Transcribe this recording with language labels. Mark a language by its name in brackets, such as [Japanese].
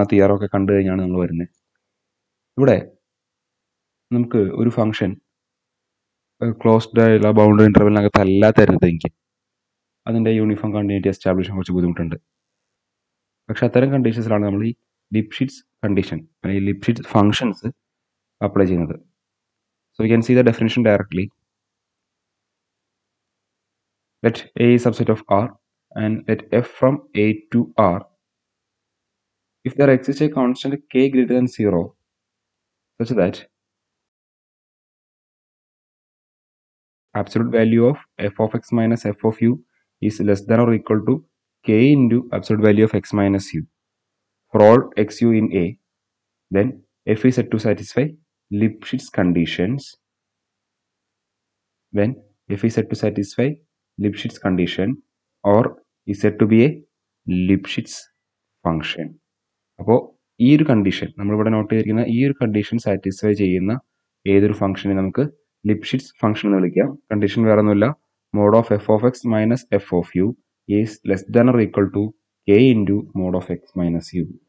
[Malayalam] ആ തിയറൊക്കെ കണ്ടു കഴിഞ്ഞാണ് നമ്മൾ വരുന്നത്. ഇവിടെ നമുക്ക് ഒരു ഫങ്ഷൻ ക്ലോസ്ഡ് ആയുള്ള ബൗണ്ടറി ഇൻ്റർവെലിനകത്ത് അല്ലാത്ത തരുന്നതെങ്കിൽ അതിൻ്റെ യൂണിഫോം കണ്ടിന്യൂറ്റി എസ്റ്റാബ്ലിഷ് ചെയ്യാൻ കുറച്ച് ബുദ്ധിമുട്ടുണ്ട്. പക്ഷേ അത്തരം കണ്ടീഷൻസിലാണ് നമ്മൾ ഈ ലിപ്ഷിറ്റ്സ് കണ്ടീഷൻ അല്ലെങ്കിൽ ലിപ്ഷിറ്റ്സ് ഫങ്ഷൻസ് അപ്ലൈ ചെയ്യുന്നത്. [English] So we can see the definition directly. Let A is subset of R and let F from A to R. If there exists a constant K greater than 0 such that absolute value of F of X minus F of U is less than or equal to K into absolute value of X minus U for all X U in A, then F is said to satisfy Lipschitz conditions. Then F is said to satisfy Lipschitz condition or is said to be a Lipschitz function. [Malayalam] അപ്പോൾ ഈ ഒരു condition നമ്മളിവിടെ not ചെയ്തിരിക്കുന്ന ഈ ഒരു condition satisfy ചെയ്യുന്ന ഏതൊരു ഫംഗ്ഷനെ നമുക്ക് ലിപ്ഷിറ്റ്സ് ഫംഗ്ഷൻ എന്ന് വിളിക്കാം. കണ്ടീഷൻ വേറെ ഒന്നുമില്ല, [English] Mod of F of X minus F of U is less than or equal to K into mod of X minus U.